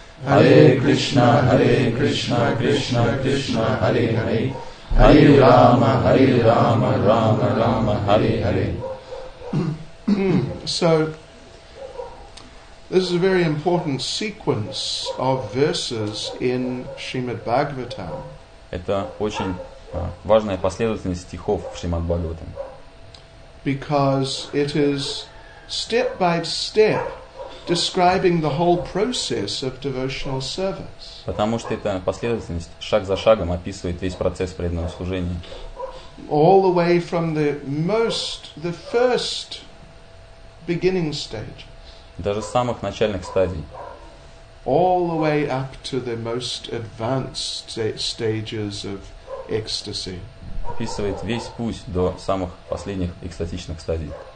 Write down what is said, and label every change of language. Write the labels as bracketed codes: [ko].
[sa] Hare Krishna Krishna Krishna Hare Hare Hare Rama Rama Rama Hare Hare [en] So, this is a very important sequence of verses in Srimad Bhagavatam. [ru] Это очень важная последовательность стихов в Шримад Бхагаватам. [en] Because it is step by step describing the whole process of devotional service. [ru] Потому что эта последовательность шаг за шагом описывает весь процесс преданного служения. [en] All the way from the first beginning stage. [ru] Даже самых начальных стадий. [en] All the way up to the most advanced stages of ecstasy. [ru] Описывает весь путь до самых последних экстатичных стадий.